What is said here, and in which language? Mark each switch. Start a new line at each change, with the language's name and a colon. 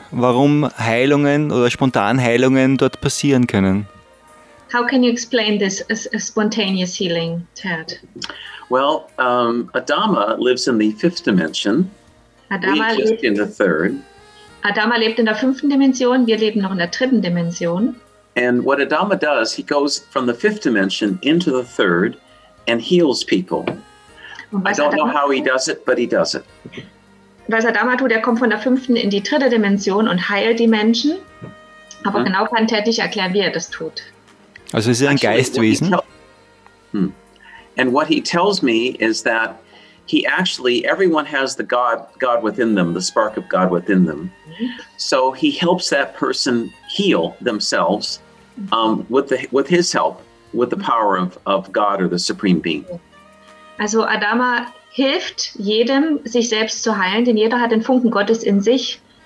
German: Warum Heilungen oder Spontanheilungen dort passieren können?
English: How can you explain this as a spontaneous healing, Ted? Well, Adama lives in the fifth dimension. Adama we exist in the third.
German: Adama lebt in der fünften Dimension, wir leben noch in der dritten Dimension.
English: And what Adama does, he goes from the fifth dimension into the third and heals people. I don't know how he does it, but he does it.
German: Was Adama tut, er kommt von der fünften in die dritte Dimension und heilt die Menschen. Aber genau kann Ted nicht erklären, wie er das tut. Also ist er ein Geistwesen?
English: And what he tells me is that he actually, everyone has the God within them, the spark of God within them. So he helps that person heal themselves with his help, with the power of God or the Supreme Being.
German: Also Adama hilft jedem, sich selbst zu heilen, denn jeder hat den Funken Gottes in sich.